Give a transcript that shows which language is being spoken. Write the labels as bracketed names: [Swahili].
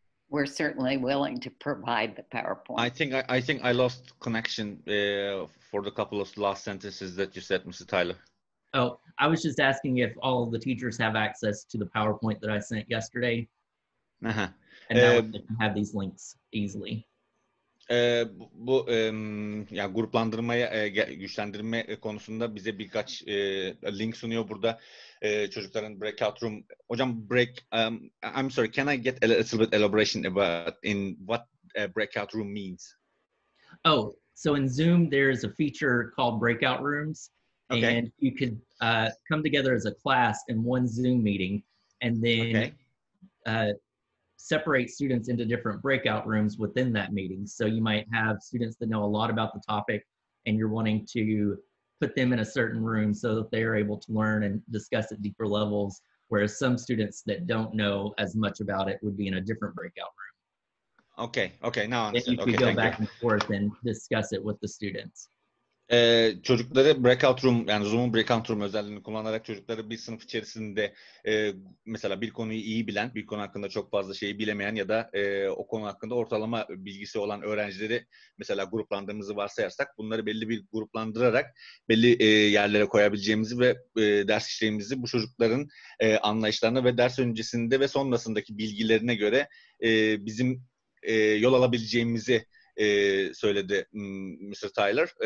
[English] We're certainly willing to provide the PowerPoint. I think I lost connection for the couple of last sentences that you said, Mr. Tyler. Oh, I was just asking if all of the teachers have access to the PowerPoint that I sent yesterday. Uh-huh. And now they can have these links easily. [Turkish] Bu ya gruplandırmaya güçlendirme konusunda bize birkaç link sunuyor burada çocukların breakout room. [English] Hocam I'm sorry, can I get a little bit elaboration about in what a breakout room means? Oh, so in Zoom there is a feature called breakout rooms. Okay. And you could come together as a class in one Zoom meeting and then separate students into different breakout rooms within that meeting. So you might have students that know a lot about the topic and you're wanting to put them in a certain room so that they are able to learn and discuss at deeper levels, whereas some students that don't know as much about it would be in a different breakout room. Okay, now I understand. You could go back and forth and discuss it with the students. [Turkish] Çocukları breakout room, yani Zoom'un breakout room özelliğini kullanarak çocukları bir sınıf içerisinde mesela bir konuyu iyi bilen, bir konu hakkında çok fazla şeyi bilemeyen ya da o konu hakkında ortalama bilgisi olan öğrencileri mesela gruplandığımızı varsayarsak bunları belli bir gruplandırarak belli yerlere koyabileceğimizi ve ders işleyimizi bu çocukların anlayışlarına ve ders öncesinde ve sonrasındaki bilgilerine göre bizim yol alabileceğimizi söyledi Mr. Tyler.